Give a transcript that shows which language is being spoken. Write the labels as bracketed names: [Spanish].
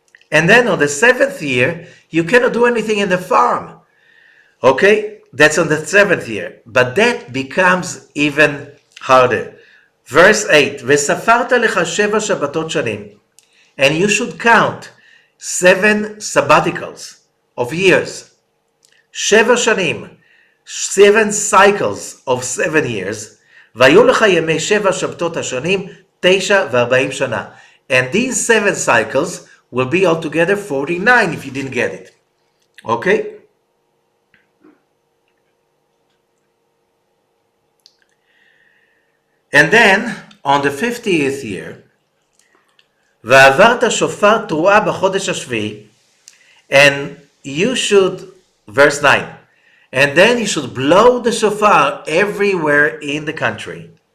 [English] And then on the 7th year, you cannot do anything in the farm. Okay, That's on the seventh year. But that becomes even harder. Verse 8, וספרת לך שבע שבתות שנים, and you should count seven sabbaticals of years. [Hebrew] שבע שנים, seven cycles of 7 years, והיו לך ימי שבע שבתות השנים, 49 שנה. [English] And these seven cycles will be altogether 49 if you didn't get it. Okay? And then, on the 50th year, ועברת שופר תרועה בחודש השביעי, and you should, verse 9, and then you should blow the shofar everywhere in the country,